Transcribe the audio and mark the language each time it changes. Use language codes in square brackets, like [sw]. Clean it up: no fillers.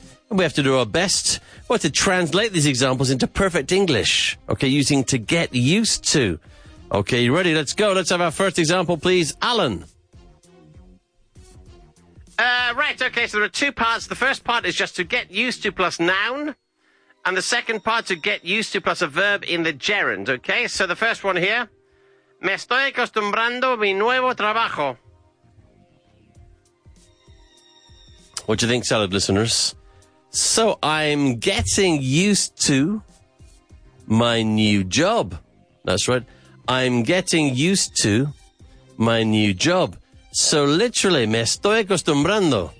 [en] We have to do our best, well, to translate these examples into perfect English, okay, using to get used to. Okay, you ready? Let's go. Let's have our first example, please. Alan. Right, okay, so there are two parts. The first part is just to get used to plus noun, and the second part to get used to plus a verb in the gerund, okay? So the first one here, [es] me estoy acostumbrando a mi nuevo trabajo. [en] What do you think, salad listeners? So I'm getting used to my new job. That's right. I'm getting used to my new job. So literally, [es] me estoy acostumbrando.